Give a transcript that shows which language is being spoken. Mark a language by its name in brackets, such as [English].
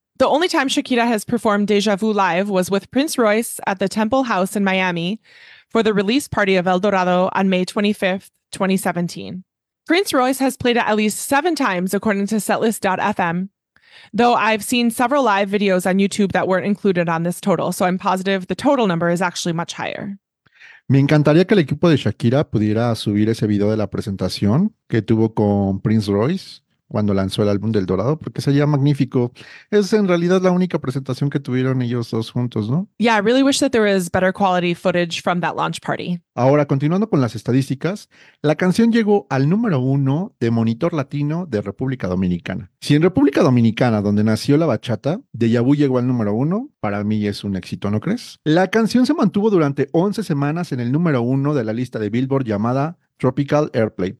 [English] The only time Shakira has performed Deja Vu live was with Prince Royce at the Temple House in Miami for the release party of El Dorado on May 25th, 2017. Prince Royce has played it at least 7 times, according to setlist.fm, though I've seen several live videos on YouTube that weren't included on this total, so I'm positive the total number is actually much higher. [Spanish] Me encantaría que el equipo de Shakira pudiera subir ese video de la presentación que tuvo con Prince Royce cuando lanzó el álbum del Dorado, porque sería magnífico. Es en realidad la única presentación que tuvieron ellos dos juntos, ¿no? [English] Yeah, I really wish that there was better quality footage from that launch party. [Spanish] Ahora, continuando con las estadísticas, la canción llegó al número 1 de Monitor Latino de República Dominicana. Si en República Dominicana, donde nació la bachata, Deja Vu llegó al número 1, para mí es un éxito, ¿no crees? La canción se mantuvo durante 11 semanas en el número 1 de la lista de Billboard llamada Tropical Airplay.